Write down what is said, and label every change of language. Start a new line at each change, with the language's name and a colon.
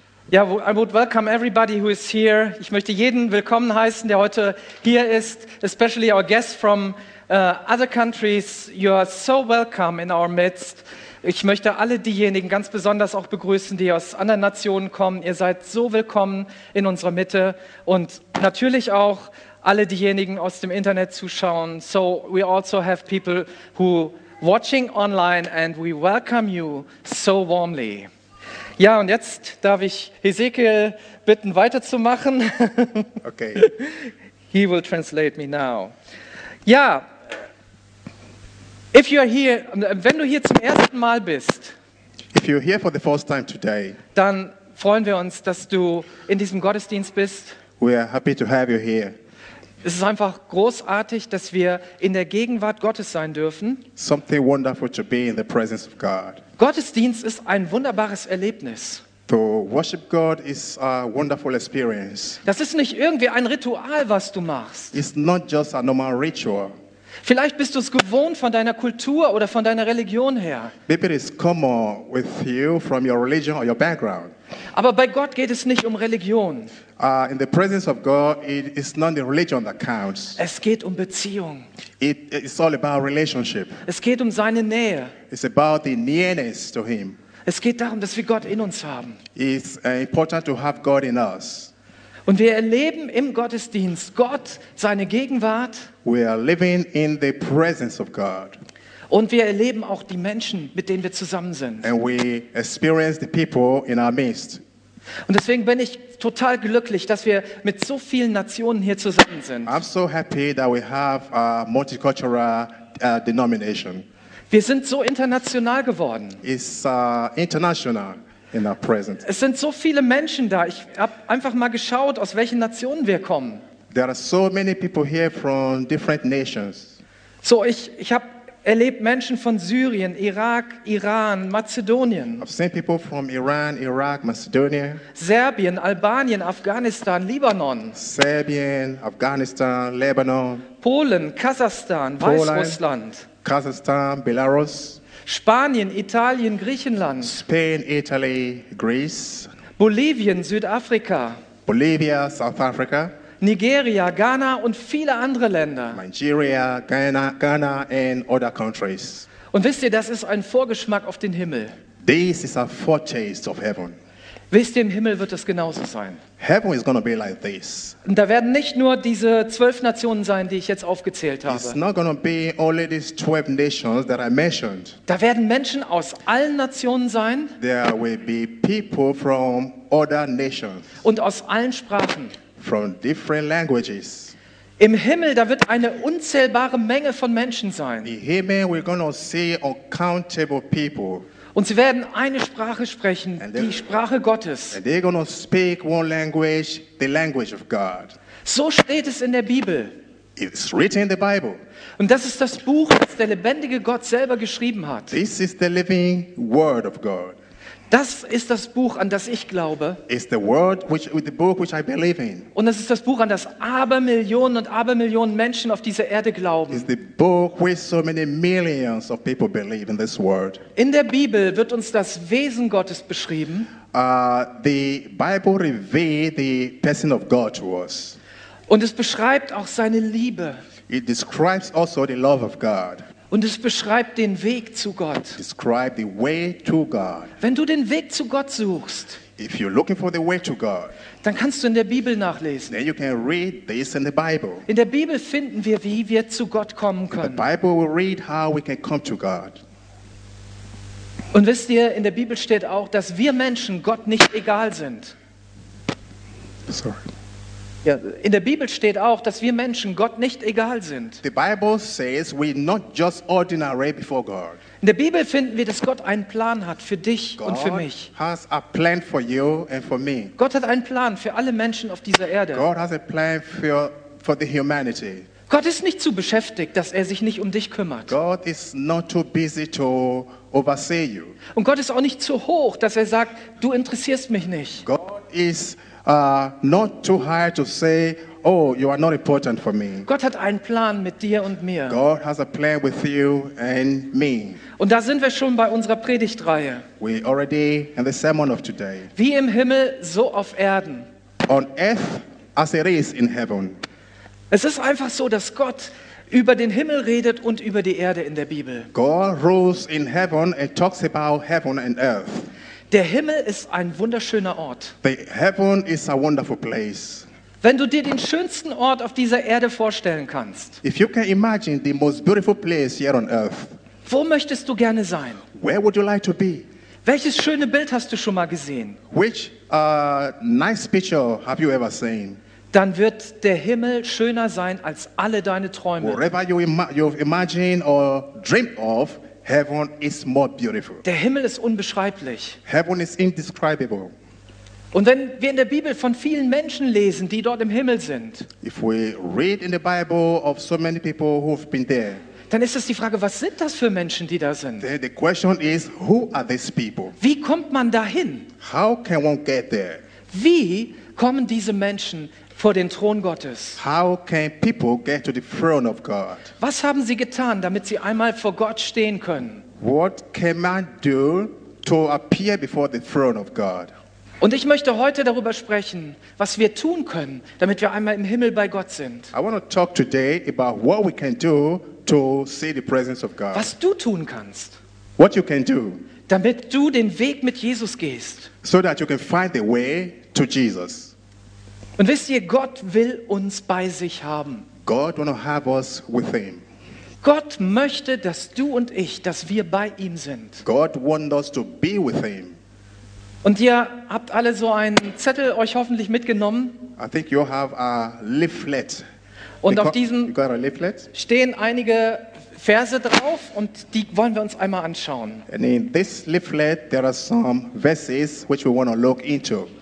English: Ja, I would welcome everybody who is here.
German: Ich möchte jeden willkommen heißen, der heute hier ist,
English: especially our guests from other countries. You are so welcome in our midst.
German: Ich möchte alle diejenigen ganz besonders auch begrüßen, die aus anderen Nationen kommen. Ihr seid so willkommen in unserer Mitte und natürlich auch alle diejenigen aus dem Internet zuschauen.
English: So we also have people who watching online and we welcome you so warmly.
German: Ja, und jetzt darf ich Hesekiel bitten, weiterzumachen.
English: Okay. He will translate me now.
German: Ja,
English: if you are here,
German: wenn du hier zum ersten Mal bist,
English: if you're here for the first time today,
German: dann freuen wir uns, dass du in diesem Gottesdienst bist.
English: We are happy to have you here.
German: Es ist einfach großartig, dass wir in der Gegenwart Gottes sein dürfen.
English: Something wonderful to be in the presence of God.
German: Gottesdienst ist ein wunderbares Erlebnis.
English: To worship God is a wonderful experience.
German: Das ist nicht irgendwie ein Ritual, was du machst.
English: It's not just a normal ritual.
German: Vielleicht bist du es gewohnt von deiner Kultur oder von deiner Religion her.
English: Maybe it's common with you from your religion or your background.
German: Aber bei Gott geht es nicht um Religion.
English: In the presence of God, it is not the religion that counts.
German: Es geht um Beziehung.
English: It's all about relationship.
German: Es geht um seine Nähe.
English: It's about the nearness to him.
German: Es geht darum, dass wir Gott in uns haben.
English: It's important to have God in us.
German: Und wir erleben im Gottesdienst Gott, seine Gegenwart.
English: We are living in the presence of God.
German: Und wir erleben auch die Menschen, mit denen wir zusammen sind.
English: And we experience the people in our midst.
German: Und deswegen bin ich total glücklich, dass wir mit so vielen Nationen hier zusammen sind.
English: I'm so happy that we have a multicultural denomination.
German: Wir sind so international geworden.
English: It's international in our presence.
German: Es sind so viele Menschen da. Ich habe einfach mal geschaut, aus welchen Nationen wir kommen.
English: There are so many people here from different nations.
German: So ich habe erlebt Menschen von Syrien, Irak, Iran, Mazedonien.
English: I've seen people from Iran, Iraq, Macedonia.
German: Serbien, Albanien, Afghanistan, Libanon.
English: Serbien, Afghanistan, Lebanon.
German: Polen, Kasachstan, Weißrussland.
English: Kasachstan, Belarus.
German: Spanien, Italien, Griechenland.
English: Spain, Italy, Greece.
German: Bolivien, Südafrika.
English: Bolivia, South Africa.
German: Nigeria, Ghana und viele andere Länder.
English: Nigeria, Ghana and other countries.
German: Und wisst ihr, das ist ein Vorgeschmack auf den Himmel.
English: This is a foretaste of heaven.
German: Wisst ihr, im Himmel wird es genauso sein.
English: Heaven is going to be like this.
German: Und da werden nicht nur diese 12 Nationen sein, die ich jetzt aufgezählt habe.
English: It's not going to be only these 12 nations that I mentioned.
German: Da werden Menschen aus allen Nationen sein.
English: There will be people from other nations.
German: Und aus allen Sprachen.
English: From different languages.
German: Im Himmel, da wird eine unzählbare Menge von Menschen sein.
English: In heaven, we're going to see uncountable people.
German: Und sie werden eine Sprache sprechen, die Sprache Gottes.
English: And they're going to speak one language, the language of God.
German: So steht es in der Bibel.
English: It's written in the Bible.
German: Und das ist das Buch, das der lebendige Gott selber geschrieben hat.
English: This is the living word of God.
German: Das ist das Buch, an das ich glaube.
English: It's the word which, the book which I believe in.
German: Und das ist das Buch, an das Abermillionen und Abermillionen Menschen auf dieser Erde glauben.
English: It's the book which so many millions of people believe in this word.
German: In der Bibel wird uns das Wesen Gottes beschrieben.
English: The Bible reveals the person of God to us.
German: Und es beschreibt auch seine Liebe.
English: It describes also the love of God.
German: Und es beschreibt den Weg zu Gott.
English: Describe the way to God.
German: Wenn du den Weg zu Gott suchst,
English: if you're looking for the way to God,
German: dann kannst du in der Bibel nachlesen.
English: Then you can read this in the Bible.
German: In der Bibel finden wir, wie wir zu Gott kommen können.
English: The Bible will read how we can come to God.
German: Und wisst ihr, in der Bibel steht auch, dass wir Menschen Gott nicht egal sind.
English: Sorry.
German: Ja, in der Bibel steht auch, dass wir Menschen Gott nicht egal sind.
English: The Bible says we're not just ordinary before God.
German: In der Bibel finden wir, dass Gott einen Plan hat für dich
English: God
German: und für mich.
English: Has a plan for you and for me.
German: Gott hat einen Plan für alle Menschen auf dieser Erde.
English: God has a plan for the humanity.
German: Gott ist nicht zu beschäftigt, dass er sich nicht um dich kümmert.
English: God is not too busy to oversee you.
German: Und Gott ist auch nicht zu hoch, dass er sagt, du interessierst mich nicht.
English: God is not too high to say, oh, you are not important for me.
German: Gott hat einen Plan mit dir und mir.
English: God has a plan with you and me.
German: Und da sind wir schon bei unserer Predigtreihe.
English: We already in the sermon of today.
German: Wie im Himmel, so auf Erden.
English: On earth as it is in heaven.
German: Es ist einfach so, dass Gott über den Himmel redet und über die Erde in der Bibel.
English: God rules in heaven and talks about heaven and earth.
German: Der Himmel ist ein wunderschöner Ort.
English: The heaven is a wonderful place.
German: Wenn du dir den schönsten Ort auf dieser Erde vorstellen kannst.
English: If you can imagine the most beautiful place here on earth.
German: Wo möchtest du gerne sein?
English: Where would you like to be?
German: Welches schöne Bild hast du schon mal gesehen?
English: Which nice picture have you ever seen?
German: Dann wird der Himmel schöner sein als alle deine Träume.
English: Whatever you imagine or dream of, heaven is more beautiful.
German: Der Himmel ist unbeschreiblich.
English: Heaven is indescribable.
German: Und wenn wir in der Bibel von vielen Menschen lesen, die dort im Himmel sind,
English: if we read in the Bible of so many people who've been there,
German: dann ist es die Frage, was sind das für Menschen, die da sind?
English: The question is, who are these people?
German: Wie kommt man dahin?
English: How can one get there?
German: Wie kommen diese Menschen vor den Thron Gottes?
English: How can people get to the throne of God?
German: Was haben sie getan, damit sie einmal vor Gott stehen können?
English: What can man do to appear before the throne of God?
German: Und ich möchte heute darüber sprechen, was wir tun können, damit wir einmal im Himmel bei Gott sind.
English: I want to talk today about what we can do to see the presence of God.
German: Was du tun kannst.
English: What you can do.
German: Damit du den Weg mit Jesus gehst.
English: So that you can find the way to Jesus.
German: Und wisst ihr, Gott will uns bei sich haben.
English: God want to have us with him.
German: Gott möchte, dass du und ich, dass wir bei ihm sind.
English: God want us to be with him.
German: Und ihr habt alle so einen Zettel euch hoffentlich mitgenommen.
English: I think you have a leaflet.
German: Und auf diesem stehen einige Verse drauf und die wollen wir uns einmal anschauen.
English: And in this leaflet there are some verses which we want to look into.